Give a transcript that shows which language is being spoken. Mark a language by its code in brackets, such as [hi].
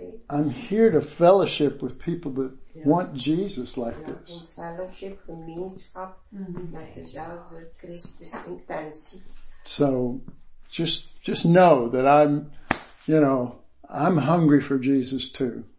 [en] I'm here to fellowship with people that want Jesus like this. [nl] Fellowship, gemeenschap met dezelfde Christus intentie. [en] So, just know that I'm, you know, I'm hungry for Jesus too.